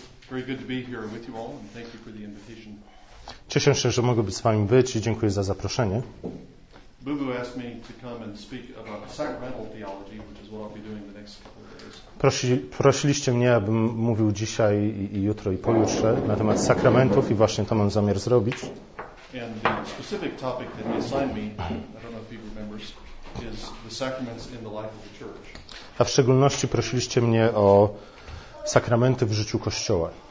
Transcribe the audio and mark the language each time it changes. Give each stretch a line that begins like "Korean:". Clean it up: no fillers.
English: Very good to be here with you all, and thank you for the invitation.
Polish: Cieszę się, że mogę być z wami być i dziękuję za zaproszenie.
English: Boo Boo asked me to come and speak about sacramental theology, which is what I'll be doing the next couple of days.
Polish: Prosiliście mnie, abym mówił dzisiaj i jutro i pojutrze na temat sakramentów i właśnie to mam zamiar zrobić.
English: And the specific topic that he assigned me, I don't know if he remembers, is the sacraments in the life of the church.
Polish: A w szczególności prosiliście mnie o sakramenty w życiu Kościoła.